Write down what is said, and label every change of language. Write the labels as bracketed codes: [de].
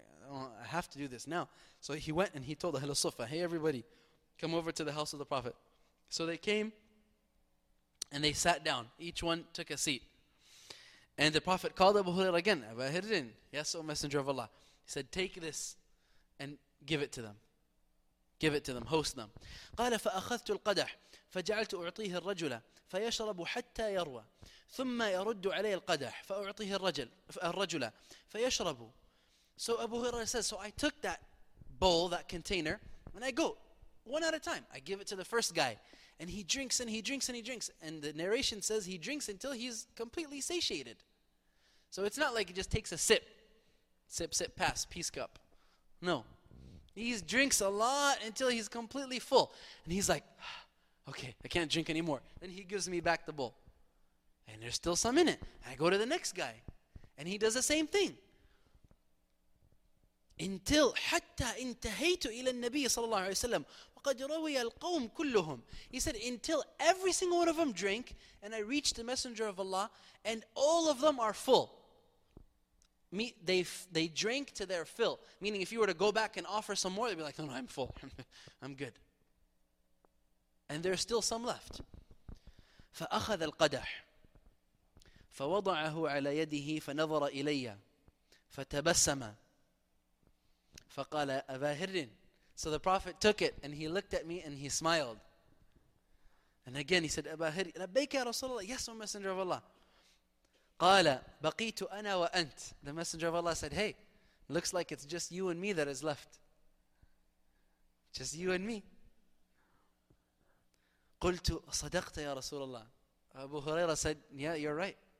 [en] I have to do this now. So he went and he told Ahl al-Suffa, hey everybody, come over to the house of the Prophet. So they came and they sat down. Each one took a seat. And the Prophet called Abu Huraira again, Abu Huraira, yes, O Messenger of Allah. He said, take this and give it to them. Give it to them, host them. [ar] قال فأخذت القدح فجعلت أعطيه الرجل فيشرب حتى يروى ثم يرد علي القدح فأعطيه الرجل فيشرب. [en] So Abu Huraira says, so I took that bowl, that container, and I go one at a time. I give it to the first guy. And he drinks and he drinks and he drinks. And the narration says he drinks until he's completely satiated. So it's not like he just takes a sip. Sip, sip, pass, peace cup. No. He drinks a lot until he's completely full. And he's like, okay, I can't drink anymore. Then he gives me back the bowl. And there's still some in it. I go to the next guy. And he does the same thing. Until [ar] حتى انتهيت إلى النبي صلى الله عليه وسلم وقد روي القوم كلهم. [en] He said, until every single one of them drink and I reach the Messenger of Allah and all of them are full. They drank to their fill. Meaning if you were to go back and offer some more, they'd be like, no, I'm full. I'm good. And there's still some left. [ar] فأخذ القدح فوضعه على يده فنظر إلي فتبسم فقال أبا هرين. [en] So the Prophet took it and he looked at me and he smiled. And again he said, [ar] أبا هرين لبيك يا رسول الله. [en] Yes, O Messenger of Allah. [ar] قال بقيت أنا وأنت. [en] The Messenger of Allah said, hey, looks like it's just you and me that is left. Just you and me. [ar] قلت صدقت يا رسول الله. [en] Abu Huraira said, yeah, you're right.